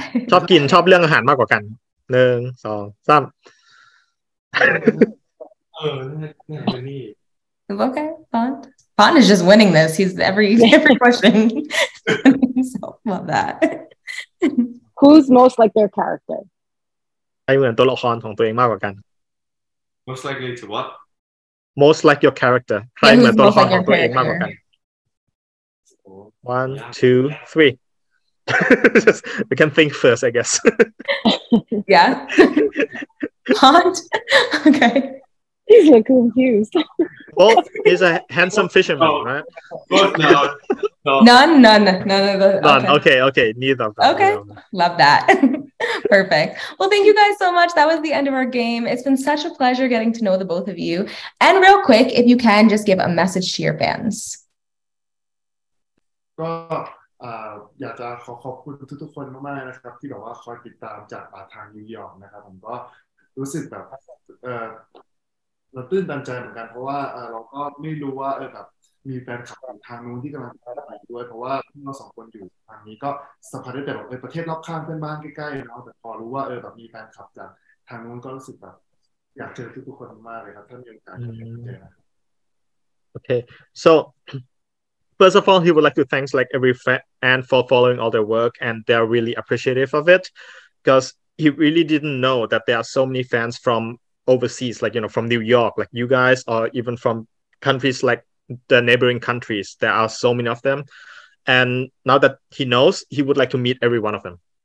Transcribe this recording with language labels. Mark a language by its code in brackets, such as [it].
[th] ชอบกินชอบเรื่องอาหารมากกว่ากัน1 2 3 [en] Okay, Pond. Pond is just winning this. He's every question. So, love that. Who's most like their character? [th] ใครเหมือนตัวละครของตัวเองมากกว่ากัน [en] Most likely to what? Most like your character. Yeah, who's most like your character? One, two, three. Just, we can think first, I guess. Yeah. Pond? Okay. He's like confused. Well, he's a handsome fisherman, right? No. None of the... None. Okay. Neither of them. Okay. Love that. Perfect. Well, thank you guys so much. That was the end of our game. It's been such a pleasure getting to know the both of you. And real quick, if you can, just give a message to your fans. [th] ก็อยากจะขอขอบคุณทุกๆคนมากๆนะครับที่แบบว่าคอยติดตามจากทางนิวยอร์กนะครับผมก็รู้สึกแบบเราตื่นตันใจเหมือนกันเพราะว่าเราก็ไม่รู้ว่าแบบมีแฟนคลับทางนู้นที่กำลังติดตามด้วยเพราะว่าเราสองคนอยู่ทางนี้ก็สัมผัสได้แต่แบบประเทศรอบข้างเพื่อนบ้านใกล้ๆแล้วแต่พอรู้ว่าแบบมีแฟนคลับจากทางนู้นก็รู้สึกแบบอยากเจอทุกคนมากเลยครับท่านยังการเจ อโอเค [en] so first of all he would like to thanks like every fan for following all their work and they are really appreciative of it because he really didn't know that there are so many fans from overseas like you know from New York like you guys or even from countries likeThe neighboring countries, there are so many of them, and now that he knows, he would like to meet every one of them.